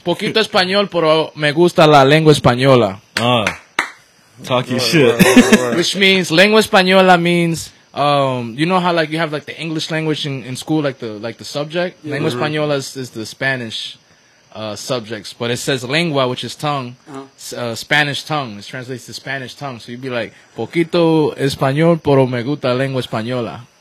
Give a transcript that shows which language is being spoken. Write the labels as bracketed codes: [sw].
[es] Poquito español, pero me gusta la lengua española. [en] Talking shit. Word. Which means, [es] lengua española [en] means, you know how like you have like the English language in school, like the subject? Yeah. [es] Lengua española [en] is the Spanish subjects. But it says lengua, which is tongue, Spanish tongue. It translates to Spanish tongue. So you'd be like, [es] poquito español, pero me gusta lengua española.